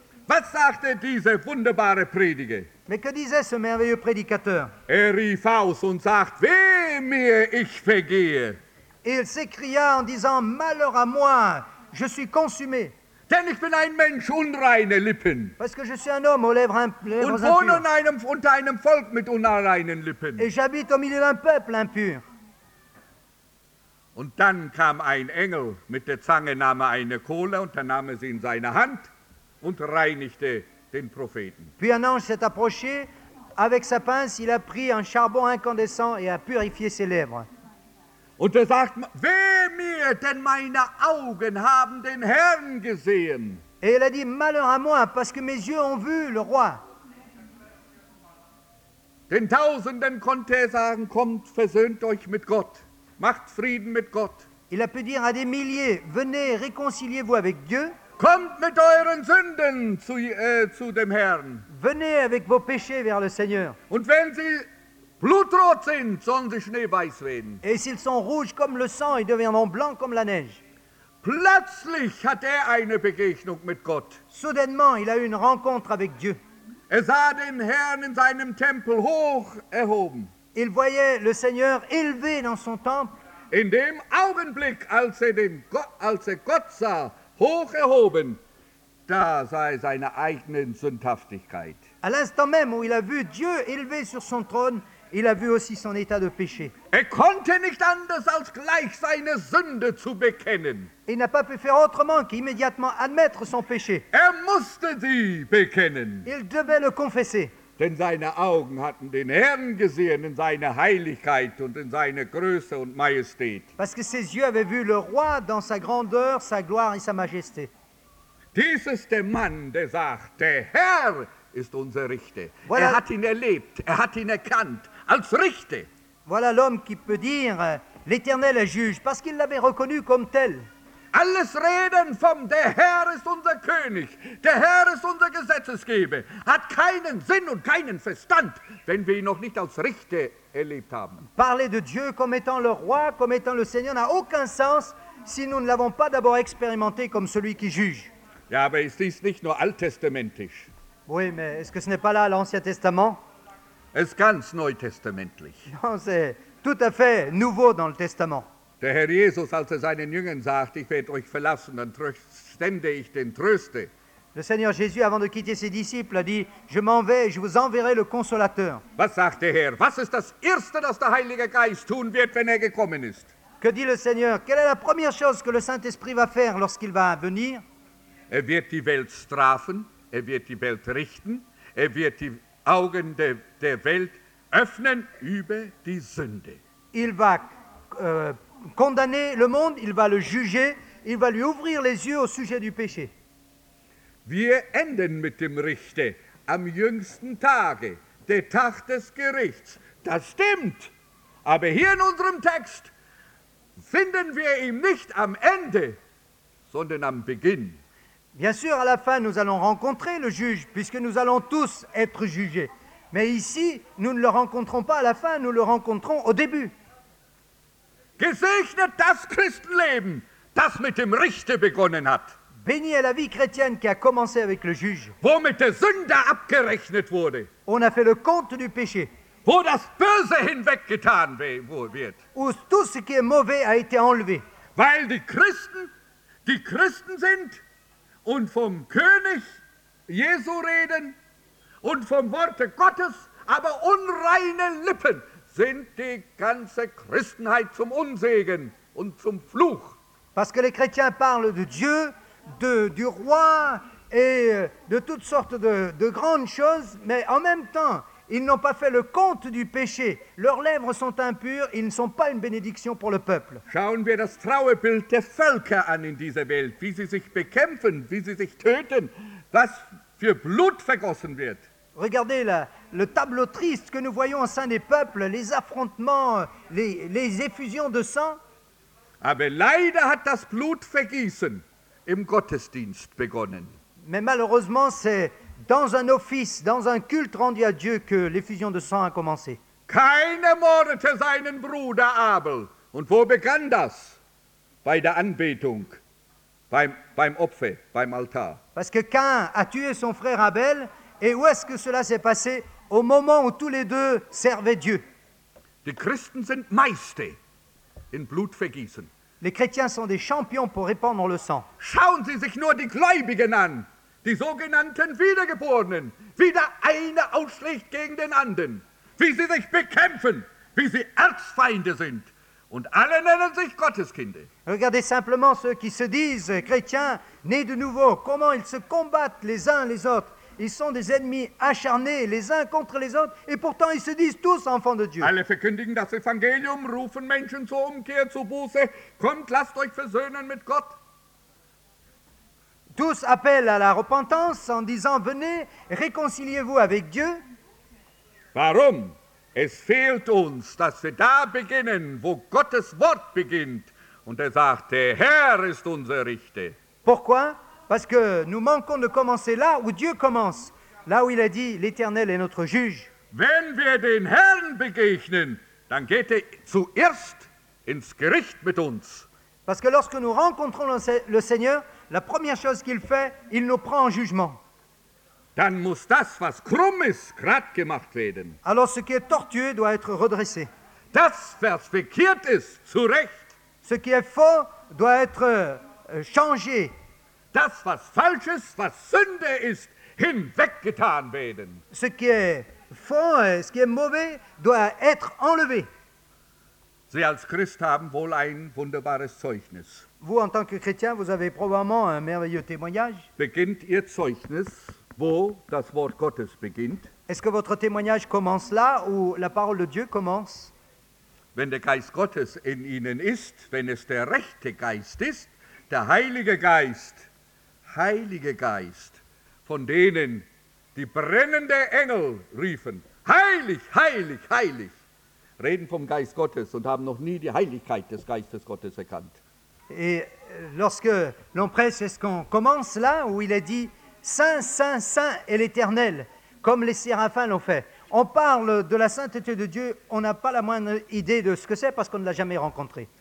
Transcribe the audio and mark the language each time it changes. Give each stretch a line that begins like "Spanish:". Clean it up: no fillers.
German: Was sagte dieser wunderbare Prediger?
French: Mais que disait ce merveilleux prédicateur?
German: Er rief aus und sagt, weh mir, ich vergehe.
French: Et il s'écria en disant, malheur à moi, je suis consumé.
German: Denn ich bin ein Mensch unreine Lippen.
French: Parce que je suis un homme aux lèvres impures.
German: Und wohne unter einem Volk mit unreinen Lippen.
French: Et j'habite au milieu d'un peuple impur.
German: Und dann kam ein Engel mit der Zange, nahm eine Kohle und dann nahm er sie in seine Hand und reinigte den Propheten.
French: Puis un ange s'est approché avec sa pince, il a pris un charbon incandescent et a purifié ses lèvres.
German: Und er sagt, weh mir, denn meine Augen haben den Herrn gesehen.
French: Et il a dit, malheur à moi, parce que mes yeux ont vu le roi.
German: Den Tausenden konnte er sagen, kommt, versöhnt euch mit Gott. Macht Frieden mit Gott.
French: Il a pu dire à des milliers, venez, réconciliez-vous avec Dieu.
German: Kommt mit euren Sünden zu dem Herrn.
French: Venez avec vos péchés vers le Seigneur.
German: Und wenn sie blutrot sind, sollen sie schneeweiß werden.
French: Et s'ils sont rouges comme le sang, ils deviendront blancs comme la neige.
German: Plötzlich hat er eine Begegnung mit Gott.
French: Soudainement, il a eu une rencontre avec Dieu.
German: Er sah den Herrn in seinem Tempel hoch erhoben.
French: Il voyait le Seigneur élevé dans son temple.
German: In dem Augenblick, als er Gott sah, hoch erhoben, da sah er seine eigene Sündhaftigkeit.
French: À l'instant même où il a vu Dieu élevé sur son trône, il a vu aussi son état de péché.
German: Er konnte nicht anders als gleich seine Sünde zu bekennen.
French: Il n'a pas pu faire autrement qu'immédiatement admettre son péché.
German: Er musste sie bekennen.
French: Il devait le confesser.
German: Denn seine Augen hatten den Herrn gesehen in seiner Heiligkeit und in seiner Größe und Majestät.
French: Parce que ses yeux avaient vu le roi dans sa grandeur, sa gloire et sa majesté.
German: Dies ist der Mann, der sagt, der Herr ist unser Richter. Voilà. Er hat ihn erlebt, er hat ihn erkannt, als Richter.
French: Voilà l'homme qui peut dire, l'Éternel est juge, parce qu'il l'avait reconnu comme tel.
German: Alles reden vom, der Herr ist unser König, der Herr ist unser Gesetzesgeber, hat keinen Sinn und keinen Verstand, wenn wir ihn noch nicht als Richter erlebt haben.
French: Parler de Dieu comme étant le roi, comme étant le Seigneur, n'a aucun sens, si nous ne l'avons pas d'abord expérimenté comme celui qui juge.
German: Ja, aber ist dies nicht nur alttestamentisch?
French: Oui, mais est-ce que ce n'est pas là l'Ancien Testament?
German: Es ganz neutestamentlich.
French: Non, c'est tout à fait nouveau dans le Testament.
German: Der Herr Jesus, als er seinen Jüngern sagt, ich werde euch verlassen, dann sende ich den Tröste.
French: Le Seigneur Jésus, avant de quitter ses disciples, a dit, je m'en vais, je vous enverrai le Consolateur.
German: Was sagt der Herr? Was ist das Erste, das der Heilige Geist tun wird, wenn er gekommen ist?
French: Que dit le Seigneur? Quelle est la première chose que le Saint-Esprit va faire lorsqu'il va venir?
German: Er wird die Welt strafen, er wird die Welt richten, er wird die Augen der Welt öffnen über die Sünde.
French: Il va condamner le monde, il va le juger, il va lui ouvrir les yeux au sujet du péché.
German: Wir enden mit dem Richter am jüngsten Tage, der Tag des Gerichts. Das stimmt, aber hier in unserem Text finden wir ihn nicht am Ende, sondern am Beginn.
French: Bien sûr, à la fin, nous allons rencontrer le juge, puisque nous allons tous être jugés. Mais ici, nous ne le rencontrons pas à la fin, nous le rencontrons au début.
German: Gesegnet das Christenleben, das mit dem Richter begonnen hat.
French: Béni est la vie chrétienne qui a commencé avec le juge.
German: Wo mit der Sünde abgerechnet wurde.
French: On a fait le compte du péché.
German: Wo das Böse hinweggetan wird.
French: Où tout ce qui est mauvais a été enlevé.
German: Weil die Christen sind und vom König Jesu reden und vom Worte Gottes, aber unreine Lippen sind die ganze Christenheit zum Unsegen und zum Fluch.
French: Parce que les chrétiens parlent de Dieu, du roi et de toutes sortes de grandes choses, mais en même temps, ils n'ont pas fait le compte du péché. Leurs lèvres sont impures, ils ne sont pas une bénédiction pour le peuple.
German: Schauen wir das Trauerbild der Völker an in dieser Welt, wie sie sich bekämpfen, wie sie sich töten, was für Blut vergossen wird.
French: Regardez le tableau triste que nous voyons au sein des peuples, les affrontements, les effusions de sang.
German: Aber leider hat das Blutvergießen im Gottesdienst begonnen.
French: Mais malheureusement, c'est dans un office, dans un culte rendu à Dieu que l'effusion de sang a commencé.
German: Keiner mordete seinen Bruder Abel. Und wo begann das? Bei der Anbetung, beim Opfer, beim Altar.
French: Parce que Cain a tué son frère Abel, et où est-ce que cela s'est passé? Au moment où tous les deux servaient Dieu.
German: Die Christen sind Meister in Blutvergießen.
French: Les chrétiens sont des champions pour répandre le sang.
German: Schauen Sie sich nur die Gläubigen an, die sogenannten Wiedergeborenen, wie der eine ausschlägt gegen den anderen, wie sie sich bekämpfen, wie sie Erzfeinde sind. Und alle nennen sich Gotteskinder.
French: Regardez simplement ceux qui se disent chrétiens, nés de nouveau, comment ils se combattent les uns les autres. Ils sont des ennemis acharnés les uns contre les autres et pourtant ils se disent tous enfants de Dieu.
German: Alle verkündigen das Evangelium, rufen Menschen zur Umkehr, zur Buße. Kommt, lasst euch versöhnen mit Gott.
French: Tous appellent à la repentance en disant venez, réconciliez-vous avec Dieu.
German: Warum? Es fehlt uns, dass wir da beginnen, wo Gottes Wort beginnt. Und sagt, der Herr ist unser Richter.
French: Pourquoi? Parce que nous manquons de commencer là où Dieu commence, là où il a dit l'Éternel est notre juge.
German: Wenn wir den Herrn begegnen, dann geht zuerst ins Gericht mit uns.
French: Parce que lorsque nous rencontrons le Seigneur, la première chose qu'il fait, il nous prend en jugement.
German: Dann muss das, was krumm ist, gerade gemacht werden.
French: Alors ce qui est tortueux doit être redressé.
German: Das, was verkehrt ist, zurecht.
French: Ce qui est faux doit être changé.
German: Das, was falsch ist, was Sünde ist, hinweggetan werden.
French: Ce qui est faux, ce qui est mauvais, doit être enlevé.
German: Sie als Christ haben wohl ein wunderbares Zeugnis.
French: Vous, en tant que chrétien, vous avez probablement un merveilleux témoignage.
German: Beginnt Ihr Zeugnis, wo das Wort Gottes beginnt?
French: Est-ce que votre témoignage commence là, où la parole de Dieu commence?
German: Wenn der Geist Gottes in Ihnen ist, wenn es der rechte Geist ist, der Heilige Geist, Heilige Geist, von denen die brennende Engel riefen, heilig, heilig, heilig, reden vom Geist Gottes und haben noch nie die Heiligkeit des Geistes Gottes erkannt.
French: Et lorsque l'on prêche, est-ce qu'on commence là où il est dit, Saint, Saint, Saint est l'Éternel, comme les séraphins l'ont fait. On parle de la sainteté de Dieu, on n'a pas la moindre idée de ce que c'est parce qu'on ne l'a jamais rencontré.